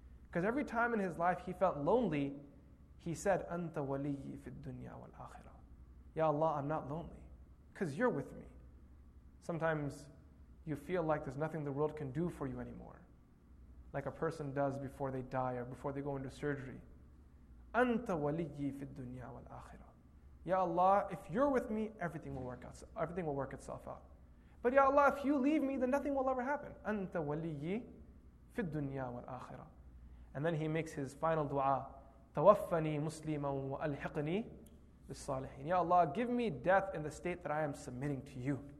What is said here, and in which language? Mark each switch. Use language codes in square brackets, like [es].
[en] Because every time in his life he felt lonely, he said [ar] أنت ولي في الدنيا والآخرة. [en] Ya Allah, I'm not lonely, because you're with me. Sometimes you feel like there's nothing the world can do for you anymore, like a person does before they die or before they go into surgery. [ar] أنت ولي في الدنيا والآخرة. [en] Ya Allah, if you're with me, everything will work out. Everything will work itself out. But Ya Allah, if you leave me, then nothing will ever happen. [ar] أَنْتَ وَلِيِّي فِي الدُّنْيَا وَالْآخِرَةِ [en] And then he makes his final dua. [ar] تَوَفَّنِي مُسْلِمًا وَأَلْحِقْنِي بِالصَّالِحِينَ [en] Ya Allah, give me death in the state that I am submitting to you.